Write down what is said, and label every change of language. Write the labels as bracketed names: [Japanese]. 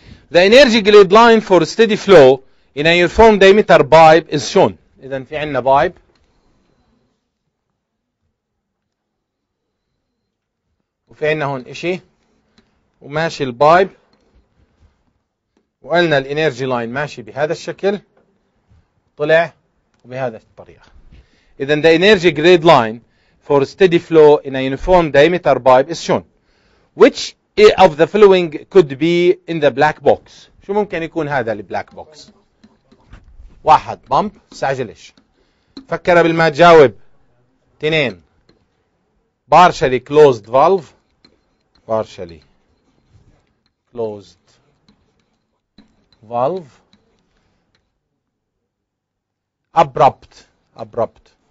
[English] The energy grid line for steady flow in a uniform diameter pipe is shown. [Arabic] إذا في عنا pipe وفي عنا هون إشي وماشي pipe، وقلنا the energy line ماشي بهذا الشكل طلع وبهذا الطريقة. [English] إذا the energy grid line for steady flow in a uniform diameter pipe is shown. Which of the following could be in the black box. [Arabic] شو ممكن يكون هذا البلاك بوكس؟ واحد بامب، سعجلش فكر قبل ما تجاوب. [English] اثنين بارشلي كلوزد فالف، بارشلي كلوزد فالف، ابربت.